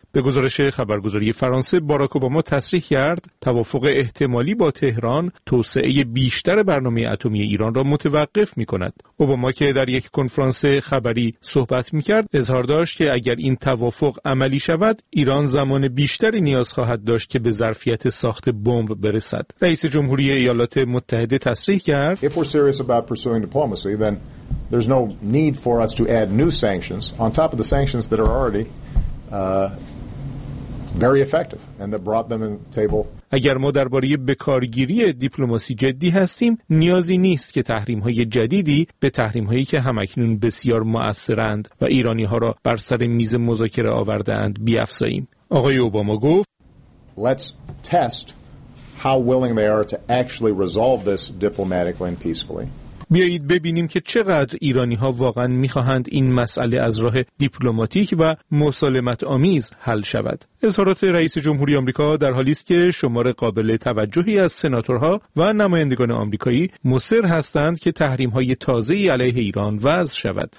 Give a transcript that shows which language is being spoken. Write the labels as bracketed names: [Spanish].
[Persian] به گزارش خبرگزاری فرانسه، باراک اوباما تصریح کرد توافق احتمالی با تهران توسعه بیشتر برنامه اتمی ایران را متوقف می‌کند. اوباما که در یک کنفرانس خبری صحبت می‌کرد، اظهار داشت که اگر این توافق عملی شود، ایران زمان بیشتری نیاز خواهد داشت که به ظرفیت ساخت بمب برسد. رئیس جمهوری ایالات متحده تصریح کرد [English] If we're serious about pursuing diplomacy, then there's no need for us to add new sanctions on top of the sanctions that are already very effective and that brought them in table. [Persian] اگر ما درباره بکارگیری دیپلماسی جدی هستیم، نیازی نیست که تحریم‌های جدیدی به تحریم‌هایی که هم‌اکنون بسیار مؤثرند و ایرانی‌ها را بر سر میز مذاکره آورده‌اند بیفزاییم. آقای اوباما گفت [English] Let's test how willing they are to actually resolve this diplomatically and peacefully. [Persian] بیایید ببینیم که چقدر ایرانی‌ها واقعاً می‌خواهند این مسئله از راه دیپلماتیک و مسالمت‌آمیز حل شود. اظهارات رئیس جمهوری آمریکا در حالی است که شمار قابل توجهی از سناتورها و نمایندگان آمریکایی مصر هستند که تحریم‌های تازه‌ای علیه ایران وضع شود.